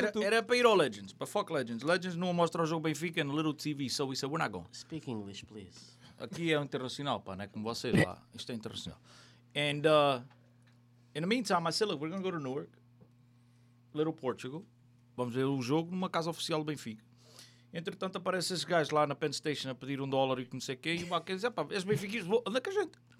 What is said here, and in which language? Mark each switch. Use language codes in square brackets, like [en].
[pt] Era para ir ao Legends, para fuck Legends. Legends não mostra o jogo Benfica no Little TV, [en] so we said, we're not going. Speak English, please. [pt] Aqui é um internacional, pá, não é como vocês lá. Isto é internacional. [en] And in the meantime, I said, look, we're going to go to Newark, Little Portugal. [pt] vamos ver o jogo numa casa oficial do Benfica. Entretanto, aparecem esses gajos lá na Penn Station a pedir um dólar e não sei quem, e o Mackenzie diz, pá, és benfiquista, anda com a gente.